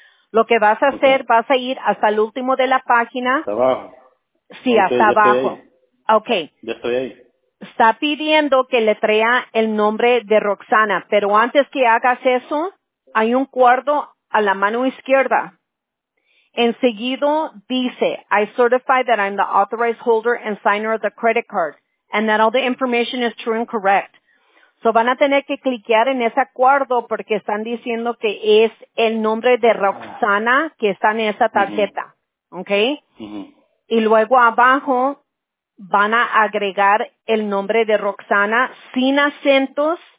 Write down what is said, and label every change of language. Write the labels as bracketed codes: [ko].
[es] Lo que vas a hacer, vas a ir hasta el último de la página. Hasta abajo. Sí, okay, hasta abajo. Okay. Ya estoy ahí. Está pidiendo que le traiga el nombre de Roxana, pero antes que hagas eso, hay un cuarto a la mano izquierda. Enseguido dice, [en] I certify that I'm the authorized holder and signer of the credit card and that all the information is true and correct. [es] So van a tener que cliquear en ese acuerdo porque están diciendo que es el nombre de Roxana que está en esa tarjeta. Uh-huh. Okay? Uh-huh. Y luego abajo van a agregar el nombre de Roxana sin acentos.